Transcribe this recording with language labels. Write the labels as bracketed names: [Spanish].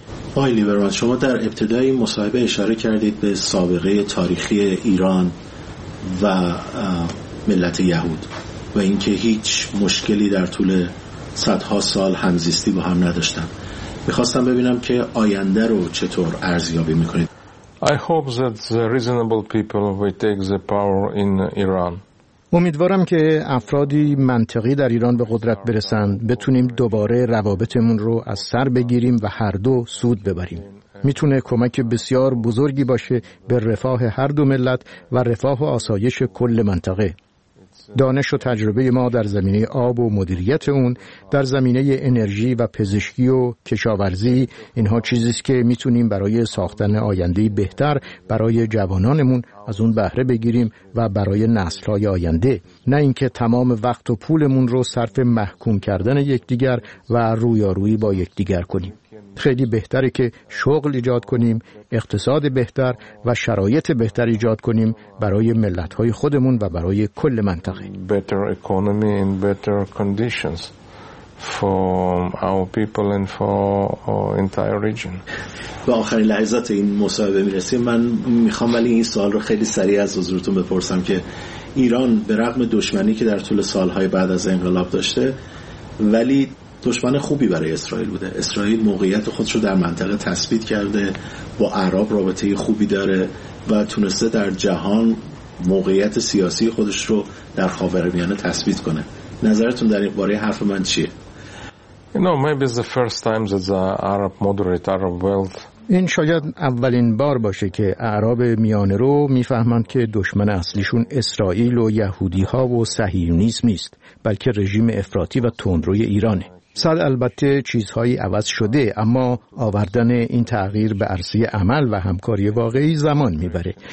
[Persian] آقای لیبرمن، شما در ابتدای مصاحبه اشاره کردید به سابقه تاریخی ایران و ملت یهود و اینکه هیچ مشکلی در طول صدها سال همزیستی با هم نداشتن. میخواستم ببینم که آینده رو چطور ارزیابی میکنید؟ [English] I hope that the reasonable people will take the power in Iran. [Persian] امیدوارم که افرادی منطقی در ایران به قدرت برسند، بتونیم دوباره روابطمون رو از سر بگیریم و هر دو سود ببریم. میتونه کمک بسیار بزرگی باشه به رفاه هر دو ملت و رفاه و آسایش کل منطقه. دانش و تجربه ما در زمینه آب و مدیریت اون، در زمینه انرژی و پزشکی و کشاورزی، اینها چیزیست که میتونیم برای ساختن آینده بهتر برای جوانانمون از اون بهره بگیریم و برای نسل‌های آینده، نه اینکه تمام وقت و پولمون رو صرف محکوم کردن یکدیگر و رویارویی با یکدیگر کنیم. خیلی بهتره که شغل ایجاد کنیم، اقتصاد بهتر و شرایط بهتر ایجاد کنیم برای ملت‌های خودمون و برای کل منطقه. [English] Better economy and better conditions for our people and for our entire region. [Persian] به آخرین لحظات این مصاحبه می‌رسیم. من می‌خوام ولی این سوال رو خیلی سریع از حضورتون بپرسم که ایران به رغم دشمنی که در طول سال‌های بعد از انقلاب داشته، ولی دشمن خوبی برای اسرائیل بوده. اسرائیل موقعیت خودشو در منطقه تثبیت کرده، با عرب رابطه خوبی داره و تونسته در جهان موقعیت سیاسی خودش رو در خاورمیانه تثبیت کنه. نظرتون در باره حرف من چیه؟ [English] maybe the first time that the Arab moderate Arab world. [Persian] این شاید اولین بار باشه که اعراب میانه رو میفهمند که دشمن اصلیشون اسرائیل و یهودی‌ها و صهیونیسم نیست، بلکه رژیم افراطی و تندروی ایرانه. صد البته چیزهایی عوض شده، اما آوردن این تغییر به عرصه عمل و همکاری واقعی زمان میبره.